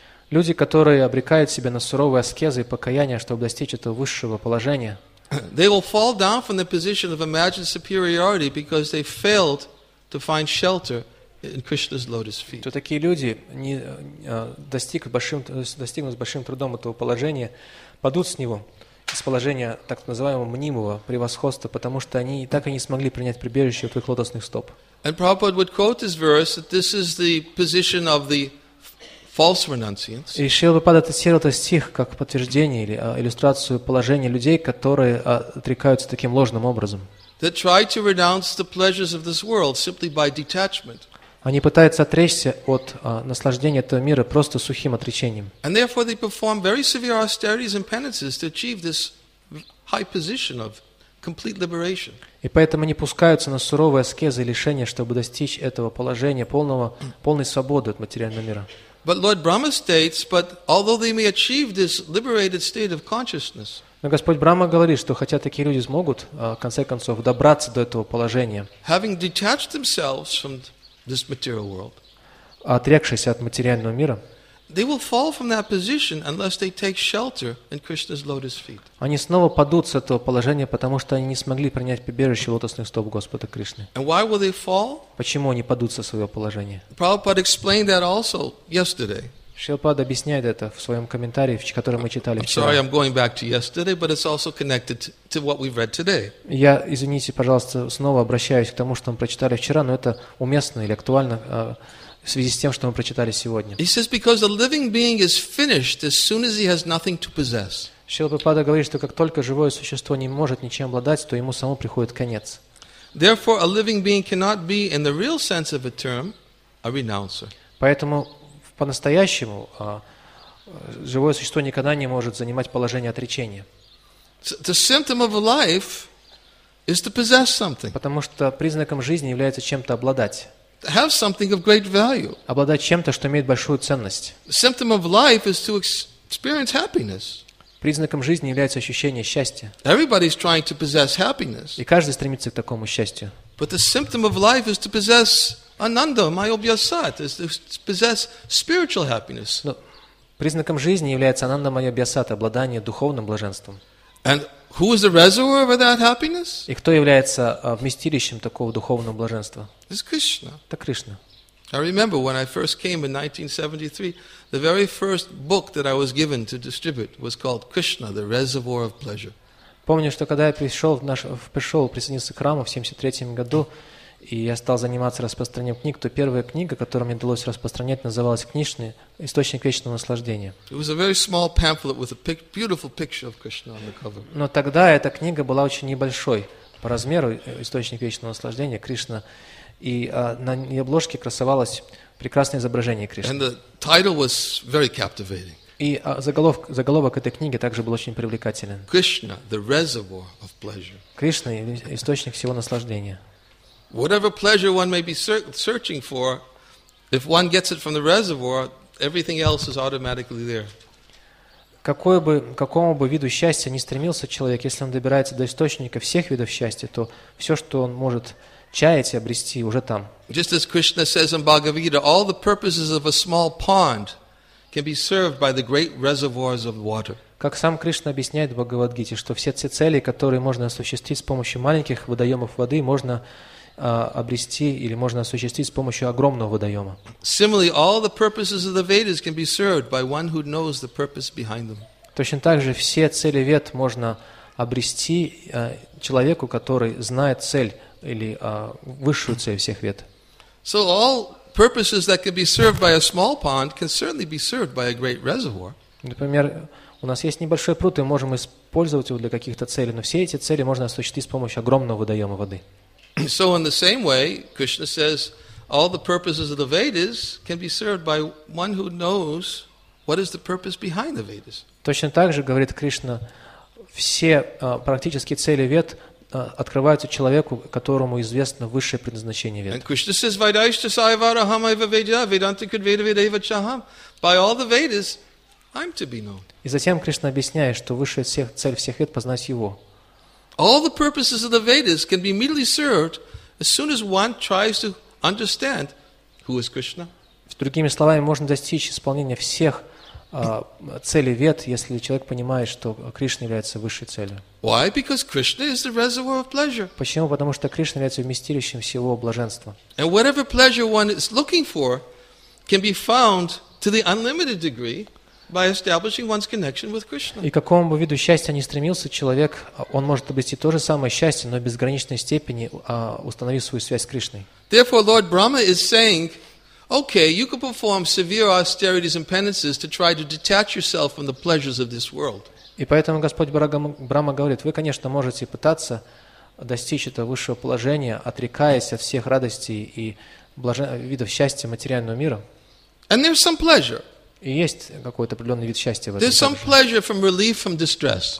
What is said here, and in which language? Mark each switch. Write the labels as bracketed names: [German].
[Russian] Люди, которые обрекают себя на суровые аскезы и покаяния, чтобы достичь этого высшего положения. [English] They will fall down from the position of imagined superiority because they failed to find shelter in Krishna's lotus feet. [Russian] То такие люди не достигнут с большим трудом этого положения, падут с него. С положения так называемого мнимого превосходства, потому что они так и не смогли принять прибежище в твоих лотосных стоп. [English] And Prabhupada would quote this verse that this is the position of the false renunciants. [Russian] И Шрила Прабхупада цитировал этот стих как подтверждение или иллюстрацию положения людей, которые отрекаются таким ложным образом. [English] They try to renounce the pleasures of this world simply by detachment. [Russian] Они пытаются отречься от наслаждения этого мира просто сухим отречением. [English] And therefore they perform very severe austerities and penances to achieve this high position of complete liberation. [Russian] И поэтому они пускаются на суровые аскезы и лишения, чтобы достичь этого положения полной свободы от материального мира. [English] But Lord Brahma states, but although they may achieve this liberated state of consciousness. [Russian] Но Господь Брахма говорит, что хотя такие люди смогут в конце концов добраться до этого положения. [English] Having detached themselves from this material world. [Russian] Отрекшись от материального мира. [English] They will fall from that position unless they take shelter in Krishna's lotus feet. [Russian] Они снова падут с этого положения, потому что они не смогли принять прибежище лотосных стоп Господа Кришны. [English] And why will they fall? [Russian] Почему они падут со своего положения? [English] Prabhupada explained that also yesterday. [Russian] Шилпад объясняет это в своем комментарии, который мы читали вчера. [English] Sorry, I'm going back to yesterday, but it's also connected to what we've read today. [Russian] Я, извините, пожалуйста, снова обращаюсь к тому, что мы прочитали вчера, но это уместно или актуально в связи с тем, что мы прочитали сегодня. [English] He says, because a living being is finished as soon as he has nothing to possess. [Russian] Шилпад говорит, что как только живое существо не может ничем обладать, то ему само приходит конец. [English] Therefore, a living being cannot be, in the real sense of a term, a renouncer. [Russian] Поэтому по-настоящему живое существо никогда не может занимать положение отречения. [English] The symptom of life is to possess something. [Russian] Потому что признаком жизни является чем-то обладать. [English] Have something of great value. [Russian] Обладать чем-то, что имеет большую ценность. [English] The symptom of life is to experience happiness. [Russian] Признаком жизни является ощущение счастья. [English] Everybody is trying to possess happiness. [Russian] И каждый стремится к такому счастью. [English] But the symptom of life is to possess ananda, mayobhya sat, is to possess spiritual happiness. [Russian] Но признаком жизни является ананда майобья сат, обладание духовным блаженством. [English] And who is the reservoir of that happiness? [Russian] И кто является вместилищем такого духовного блаженства? [English] It's Krishna. [Russian] Это Кришна. [English] I remember when I first came in 1973, the very first book that I was given to distribute was called Krishna, the Reservoir of Pleasure. [Russian] Помню, что когда я присоединился к храму в 73 году, и я стал заниматься распространением книг, то первая книга, которую мне удалось распространять, называлась «Кришна. Источник вечного наслаждения». [English] It was a very small pamphlet with a beautiful picture of Krishna on the cover. [Russian] Но тогда эта книга была очень небольшой по размеру, «Источник вечного наслаждения», Кришна. И на обложке красовалось прекрасное изображение Кришны. [English] And the title was very captivating. [Russian] И заголовок этой книги также был очень привлекателен. [English] Krishna, the reservoir of pleasure. [Russian] Кришна – источник всего наслаждения. [English] Whatever pleasure one may be searching for, if one gets it from the reservoir, everything else is automatically there. [Russian] Какому бы виду счастья ни стремился человек, если он добирается до источника всех видов счастья, то все, что он может чаять и обрести, уже там. [English] Just as Krishna says in Bhagavad Gita, all the purposes of a small pond can be served by the great reservoirs of water. [Russian] Как сам Кришна объясняет в Бхагавадгите, что все цели, которые можно осуществить с помощью маленьких водоемов воды, можно обрести или можно осуществить с помощью огромного водоема. [English] Similarly, all the purposes of the Vedas can be served by one who knows the purpose behind them. [Russian] Точно так же все цели Вед можно обрести человеку, который знает цель или высшую цель всех Вед. [English] So all purposes that can be served by a small pond can certainly be served by a great reservoir. [Russian] Например, у нас есть небольшой пруд, и мы можем использовать его для каких-то целей, но все эти цели можно осуществить с помощью огромного водоема воды. [English] So in the same way, Krishna says, all the purposes of the Vedas can be served by one who knows what is the purpose behind the Vedas. [Russian] Точно так же, говорит Кришна, все практические цели Вед открываются человеку, которому известно высшее предназначение Вед. [Sanskrit] And Krishna says, Vaidaishta Saivaraham Iva Veda, Vedanta Kudveda Veda Iva Chaham. [English] By all the Vedas, I'm to be known. [Russian] И затем Кришна объясняет, что высшая цель всех Вед – познать Его. [English] All the purposes of the Vedas can be immediately served as soon as one tries to understand who is Krishna. [Russian] Другими словами, можно достичь исполнения всех целей Вед, если человек понимает, что Кришна является высшей целью. [English] Why? Because Krishna is the reservoir of pleasure. [Russian] Почему? Потому что Кришна является вместилищем всего блаженства. [English] And whatever pleasure one is looking for can be found to the unlimited degree by establishing one's connection with Krishna. [Russian] И к какому бы виду счастья ни стремился человек, он может обрести то же самое счастье, но в безграничной степени, установив свою связь с Кришной. [English] Therefore, Lord Brahma is saying, okay, you can perform severe austerities and penances to try to detach yourself from the pleasures of this world. [Russian] И поэтому Господь Брама говорит, вы, конечно, можете пытаться достичь этого высшего положения, отрекаясь от всех радостей и видов счастья материального мира. [English] And there's some pleasure. [Russian] И есть какой-то определенный вид счастья в этом. [English] There's some pleasure from relief from distress.